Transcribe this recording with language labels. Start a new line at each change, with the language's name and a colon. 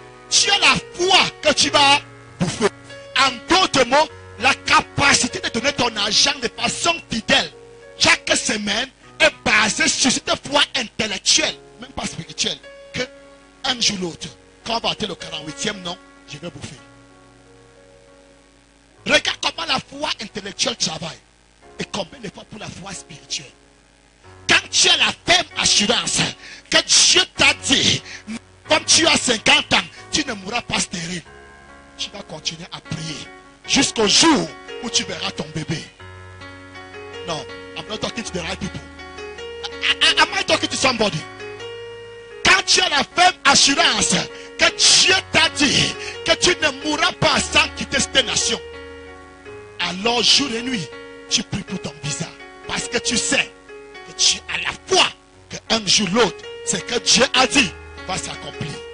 French: Tu as la foi que tu vas bouffer. En d'autres mots, la capacité de donner ton argent de façon fidèle chaque semaine est basée sur cette foi intellectuelle, même pas spirituelle, que un jour ou l'autre, quand on va atteindre le 48e nom, je vais bouffer. Regarde comment la foi intellectuelle travaille et combien de fois pour la foi spirituelle. Quand tu as la ferme assurance que Dieu t'a dit, comme tu as 50 ans, tu ne mourras pas stérile. Tu vas continuer à prier jusqu'au jour où tu verras ton bébé.
English: Non, I'm not talking to the right people. Am I talking to somebody?
French: Quand tu as la ferme assurance que Dieu t'a dit que tu ne mourras pas sans quitter cette nation, alors jour et nuit, tu pries pour ton visa. Parce que tu sais que tu as la foi qu'un jour ou l'autre, c'est que Dieu a dit va s'accomplir.